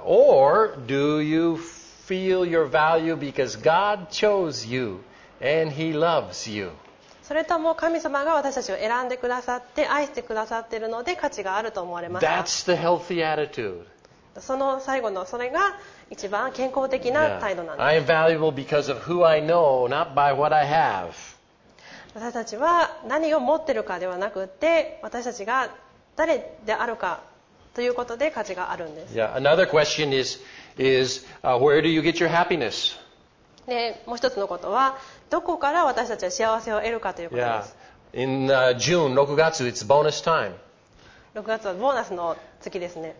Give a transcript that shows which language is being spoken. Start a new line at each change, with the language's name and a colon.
English: Or do you feel your value because God chose you and He loves you?
Japanese: それとも神様が私たちを選んでくださって愛してくださっているので価値があると思われますか？
English: That's the healthy attitude.
Japanese: その最後のそれが一番健康的な態度なんです。
English: Yeah. I am valuable because of who I know, not by what I have.
Japanese: 私たちは何を持っているかではなくて私たちが誰であるかということで価値があるんです。
English: Yeah. Another question is where do you get your happiness?
Japanese: でもう一つのことはどこから私たちは幸せを得るかということです。
English: Yeah. In June, 6月 it's bonus time.
Japanese: 6月はボーナスの月ですね。